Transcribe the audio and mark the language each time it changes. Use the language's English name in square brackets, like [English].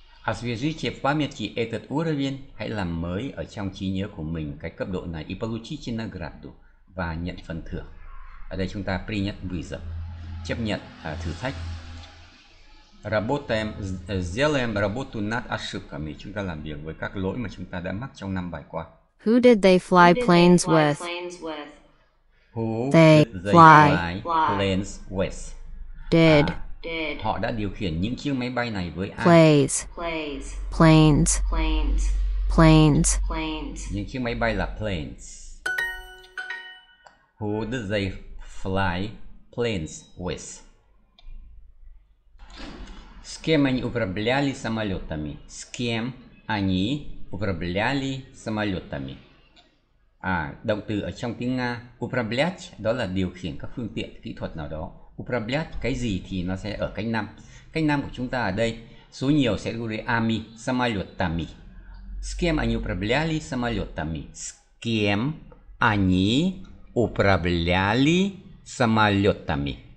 [Russian] Освежите в памяти этот уровень. [Vietnamese] Hãy làm mới ở trong trí nhớ của mình cái cấp độ này. [Russian] И получите награду. [Vietnamese] Và nhận phần thưởng. Ở đây chúng ta [Russian] принять вызов, [Vietnamese] chấp nhận thử thách. [Russian] Работаем, сделаем работу над ошибками. [Vietnamese] Chúng ta làm việc với các lỗi mà chúng ta đã mắc trong năm bài qua. [English] Who did they fly planes with? Who did they fly planes with? Did. [Vietnamese] Họ đã điều khiển những chiếc máy bay này với ai? [English] Planes. Planes. Planes. Planes. [Vietnamese] Những chiếc máy bay là planes. [English] Who did they fly planes with? [Russian] С кем они управляли самолетами? С кем они управляли самолетами? [Vietnamese] À, động từ ở trong tiếng Nga управлять đó là điều khiển các phương tiện kỹ thuật nào đó. Управлять cái gì thì nó sẽ ở cách năm. Cách năm của chúng ta ở đây số nhiều sẽ gọi là [Russian] ами самолетами. С кем они управляли самолетами? С кем они управляли самолетами.